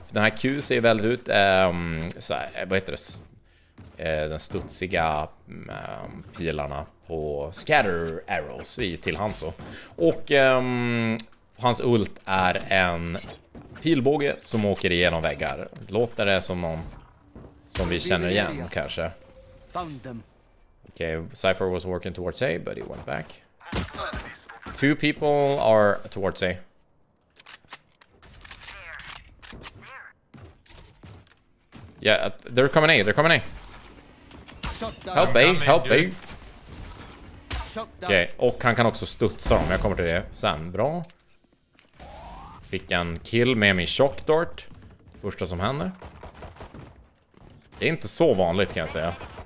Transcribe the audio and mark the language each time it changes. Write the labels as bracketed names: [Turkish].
[Swedish] Den här Q ser väldigt ut så här, vad heter det? Den studsiga pilarna på scatter arrows till Hanzo. Och hans ult är en pilbåge som åker igenom väggar. Låter det som någon som vi känner igen kanske. [English] Okay, Cypher was working towards A but he went back. Two people are towards A. Yeah, they're coming A, they're coming A. Help A, help A. [Swedish] Okej, och han kan också studsa dem. Jag kommer till det sen. Bra. Fick en kill med min shock dart. Första som händer. Det är inte så vanligt kan jag säga.